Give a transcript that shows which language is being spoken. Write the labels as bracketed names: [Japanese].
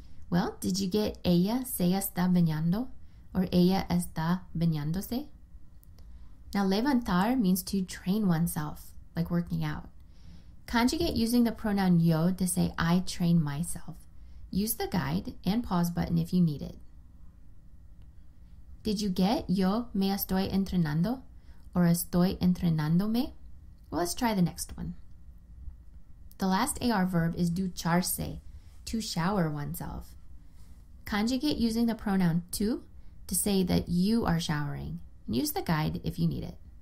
[English] Well, did you get [Spanish] ella se está bañando or ella está bañándose? [English] Now, levantar means to train oneself, like working out. Conjugate using the pronoun yo to say I train myself. Use the guide and pause button if you need it. Did you get [Spanish] yo me estoy entrenando or estoy entrenándome? [English] Well, let's try the next one. The last AR verb is ducharse, to shower oneself. Conjugate using the pronoun to say that you are showering. Use the guide if you need it.